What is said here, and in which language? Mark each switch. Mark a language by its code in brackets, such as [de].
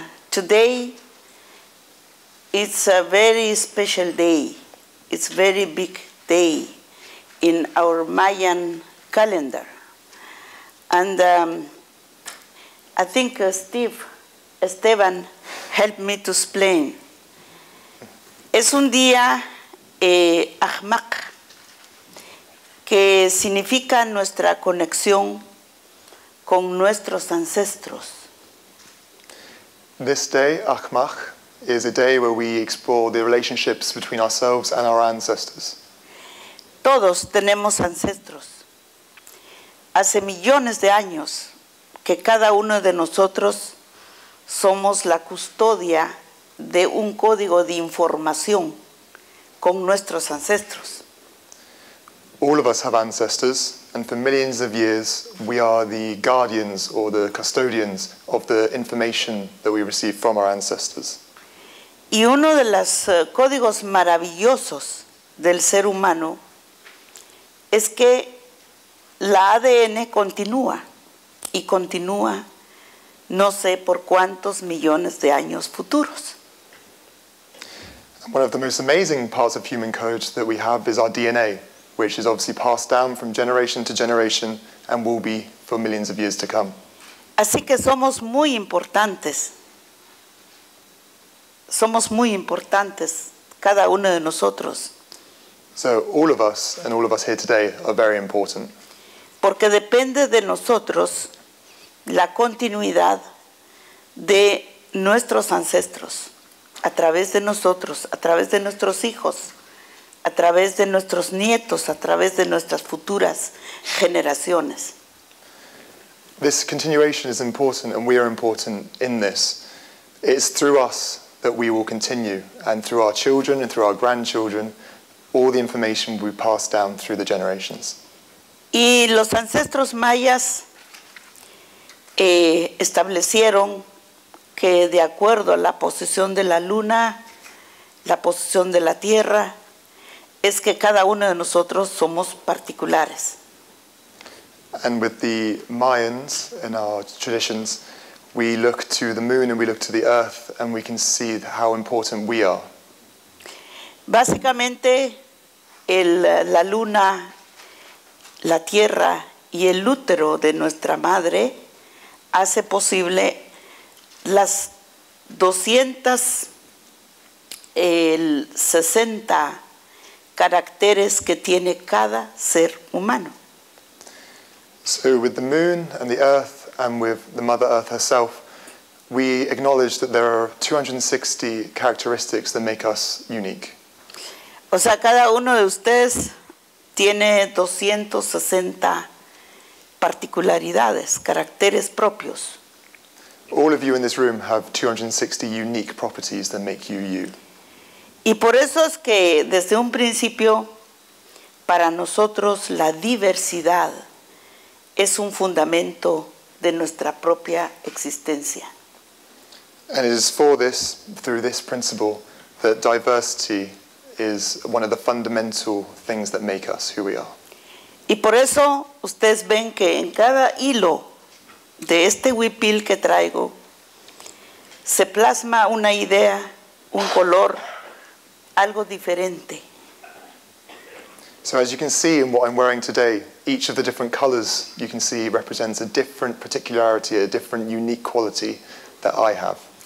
[en] Today, it's a very special day. It's a very big day in our Mayan calendar. And I think Esteban, help me to explain. [es] Es un día Ahmak, que significa nuestra conexión con nuestros ancestros. [en] This day, Ahmak, is a day where we explore the relationships between ourselves and our ancestors. [es] Todos tenemos ancestros. Hace millones de años que cada uno de nosotros somos la custodia de un código de información con nuestros ancestros. [en] All of us have ancestors, and for millions of years, we are the guardians or the custodians of the information that we receive from our ancestors. [es] Y uno de los códigos maravillosos del ser humano es que la ADN continúa y continúa. No sé por cuántos millones de años futuros. [en] One of the most amazing parts of human code that we have is our DNA, which is obviously passed down from generation to generation and will be for millions of years to come. [es] Así que somos muy importantes. Somos muy importantes, cada uno de nosotros. [en] So all of us and all of us here today are very important. [es] Porque depende de nosotros la continuidad de nuestros ancestros, a través de nosotros, a través de nuestros hijos, a través de nuestros nietos, a través de nuestras futuras generaciones. [en] This continuation is important, and we are important in this. It's through us that we will continue, and through our children and through our grandchildren, all the information we pass down through the generations. [es] Y los ancestros mayas establecieron que de acuerdo a la posición de la luna, la posición de la tierra, es que cada uno de nosotros somos particulares. [en] And with the Mayans in our traditions, we look to the moon and we look to the earth and we can see how important we are. [es] Básicamente, la luna, la tierra y el útero de nuestra madre hace posible las 260 caracteres que tiene cada ser humano. [en] So with the moon and the earth and with the Mother Earth herself, we acknowledge that there are 260 characteristics that make us unique. [es] O sea, cada uno de ustedes tiene 260 particularidades, caracteres propios. [en] All of you in this room have 260 unique properties that make you you. [es] Y por eso es que desde un principio para nosotros la diversidad es un fundamento de nuestra propia existencia. [en] And it is for this, through this principle, that diversity is one of the fundamental things that make us who we are. [es] Y por eso ustedes ven que en cada hilo de este huipil que traigo se plasma una idea, un color, algo diferente. [en] So as you can see in what I'm wearing today, each of the different colors you can see represents a different particularity, a different unique quality that I have.